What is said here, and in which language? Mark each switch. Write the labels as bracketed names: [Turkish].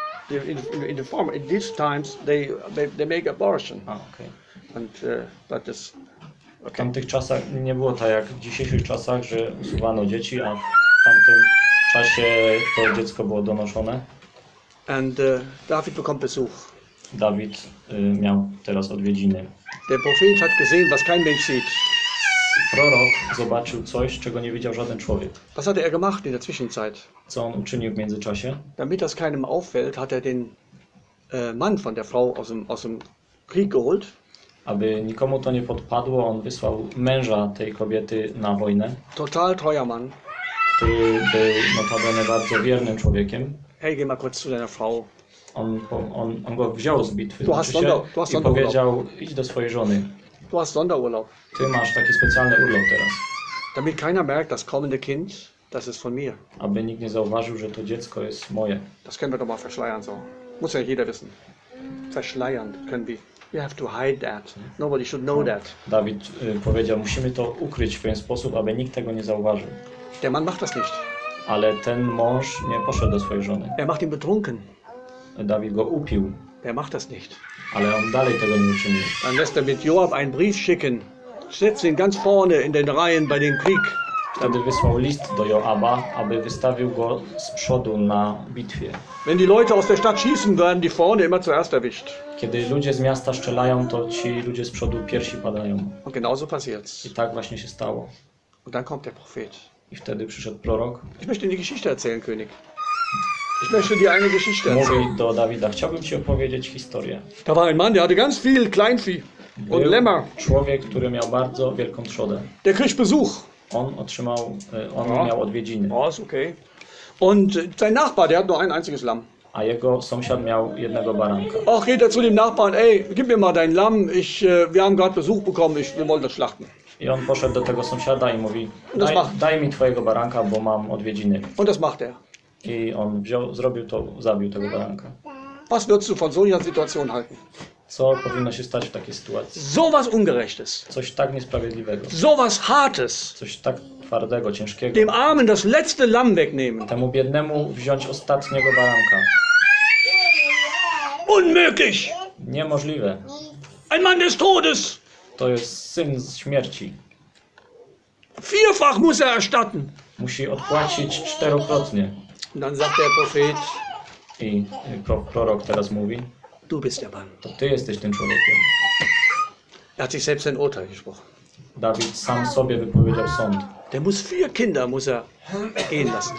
[English] In the form, in these times, they make abortion. A, okay. And that is... [Polish] Okay. W tamtych czasach nie było tak jak w dzisiejszych czasach, że usuwano dzieci, a w tamtym czasie to dziecko było donoszone. [German] And David bekommt Besuch. [Polish] David miał teraz odwiedziny. [German] Der Prophet hat gesehen, was kein Mensch sieht. [Polish] Prorok zobaczył coś, czego nie widział żaden człowiek. [German] Was hat er gemacht in der Zwischenzeit? [Polish] Co on uczynił w międzyczasie? [German] Damit das keinem auffällt, hat er den Mann von der Frau aus dem Krieg geholt. [Polish] Aby nikomu to nie podpadło, on wysłał męża tej kobiety na wojnę. [German] Total treuer Mann. [Polish] Który był notabene bardzo wiernym człowiekiem. [German] Hey, geh mal kurz zu deiner Frau. [Polish] On go wziął z bitwy. [German] Du hast Sonderurlaub. [Polish] I powiedział, idź do swojej żony. [German] Du hast Sonderurlaub. [Polish] Ty masz taki specjalny urlop teraz. [German] Damit keiner merkt, das kommende Kind, das ist von mir. [Polish] Aby nikt nie zauważył, że to dziecko jest moje. [German] Das können wir doch mal verschleiern so. Muss ja jeder wissen. Verschleiern können wir. [English] We have to hide that. Nobody should know that. [Polish] David powiedział, musimy to ukryć w pewien sposób, aby nikt tego nie zauważył. [German] Der Mann macht das nicht. [Polish] Ale ten mąż nie poszedł do swojej żony. [German] Er macht ihn betrunken. [Polish] David go upił. [German] Er macht das nicht. [Polish] Ale on dalej tego nie uczynił. [German] Dann lässt er mit Joab einen Brief schicken. Setzt ihn ganz vorne in den Reihen bei dem Krieg. [Polish] Wtedy wysłał list do Joaba, aby wystawił go z przodu na bitwie. [German] Wenn die Leute aus der Stadt schießen, werden die vorne immer zuerst erwischt. [Polish] Kiedy ludzie z miasta strzelają, to ci ludzie z przodu pierwsi padają. [German] Und genauso passiert's. [Polish] I tak właśnie się stało. [German] Und dann kommt der Prophet. [Polish] I wtedy przyszedł prorok. [German] Ich möchte dir eine Geschichte erzählen, König. Ich möchte dir eine Geschichte erzählen. [Polish] Mówi do Dawida, chciałbym ci opowiedzieć historię. [German] Da war ein Mann, der hatte ganz viel Kleinvieh und Lämmer. [Polish] Człowiek, który miał bardzo wielką trzodę. [German] Der kriegt Besuch. [Polish] On otrzymał, on ja. Miał odwiedziny. [German] O, ist okay. Und sein Nachbar, der hat nur ein einziges Lamm. [Polish] A jego sąsiad miał jednego baranka. [German] Och, geht er zu dem Nachbarn, ey, gib mir mal dein Lamm, wir haben gerade Besuch bekommen, wir wollen das schlachten. [Polish] I on poszedł do tego sąsiada i mówi, daj mi twojego baranka, bo mam odwiedziny. [German] Und das macht er. [Polish] I on wziął, zrobił to, zabił tego baranka. [German] Was würdest du von so einer Situation halten? [Polish] Co powinno się stać w takiej sytuacji? [German] So was ungerechtes. [Polish] Coś tak niesprawiedliwego. [German] So was hartes. [Polish] Coś tak twardego, ciężkiego. [German] Dem armen das letzte Lamm wegnehmen. [Polish] Temu biednemu wziąć ostatniego baranka. [German] Unmöglich. [Polish] Niemożliwe. [German] Ein Mann des Todes. [Polish] To jest syn z śmierci. [German] Vierfach muss er erstatten. [Polish] Musi odpłacić czterokrotnie. [German] Dann sagt der Prophet. [Polish] I prorok teraz mówi. [German] Du bist der Mann. [Polish] To ty jesteś tym człowiekiem. [German] Er hat sich selbst ein Urteil gesprochen. [Polish] David sam sobie wypowiedział sąd. [German] Der muss vier Kinder muss er gehen lassen.